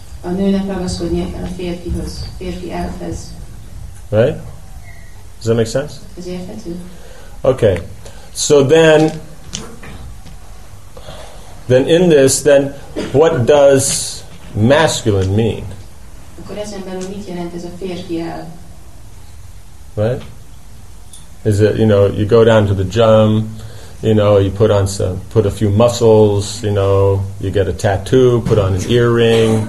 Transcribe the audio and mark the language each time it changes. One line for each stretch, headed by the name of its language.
Hungarian: A nőnek ragaszkodnia kell a férfihoz, férfi elfhez.
English: Right? Does that make sense?
Hungarian: Ez érthető?
English: Okay. So then in this, then what does masculine mean?
Hungarian: Akkor ezen belül mit jelent ez a férfi el?
English: Right? Is it, you know, you go down to the gym, you know, you put on some, put a few muscles, you know, you get a tattoo, put on an earring.